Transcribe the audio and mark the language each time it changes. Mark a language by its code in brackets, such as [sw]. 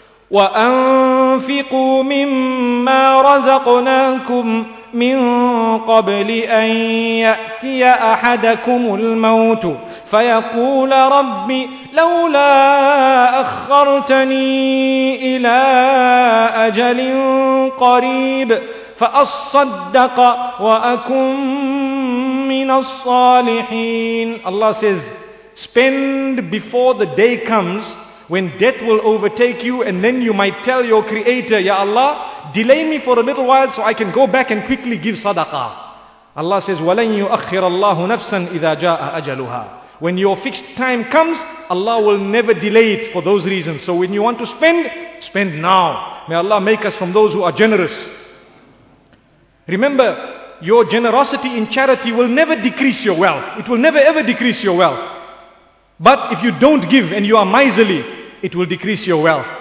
[ar] وَأَنفِقُوا مِمَّا رَزَقْنَاكُمْ مِنْ قَبْلِ أَنْ يَأْتِيَ أَحَدَكُمُ الْمَوْتُ فَيَقُولَ رَبِّ لَوْلَا أَخَّرْتَنِي إِلَىٰ أَجَلٍ قَرِيبٍ فَأَصَّدَّقَ وَأَكُمْ مِنَ الصَّالِحِينَ. [en] Allah says, spend before the day comes when death will overtake you, and then you might tell your creator, Ya Allah, delay me for a little while so I can go back and quickly give sadaqah. Allah says, [ar] وَلَنْ يُؤَخِّرَ اللَّهُ نَفْسًا إِذَا جَاءَ أَجَلُهَا. [en] When your fixed time comes, Allah will never delay it for those reasons. So when you want to spend, spend now. May Allah make us from those who are generous. Remember, your generosity in charity will never decrease your wealth. It will never ever decrease your wealth. But if you don't give and you are miserly, it will decrease your wealth.